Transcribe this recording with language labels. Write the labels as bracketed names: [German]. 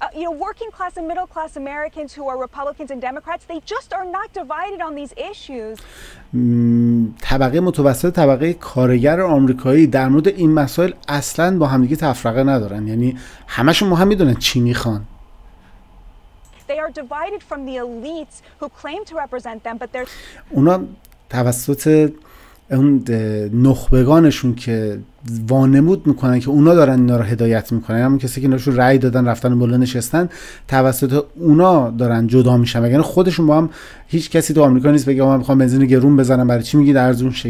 [English] You know, working class and middle class Americans who are Republicans and Democrats, they just are not divided on these issues. [Persian] طبقه متوسط، طبقه کارگر آمریکایی در مورد این مسائل اصلا با همدیگه تفرقه ندارن. یعنی همشون مهم میدونن چی میخوان. [English] They are divided from the elites who claim to represent them, but they're [Persian] اونا توسط اون نخبگانشون که وانمود میکنن که اونا دارن اینا رو هدایت میکنن، همون کسی که اینا رأی دادن رفتن بالا نشستن، توسط اونا دارن جدا میشن. یعنی خودشون با هم، هیچ کسی تو آمریکا نیست بگه من میخوام بنزین گرون بزنم، برای چی میگی در زون شه.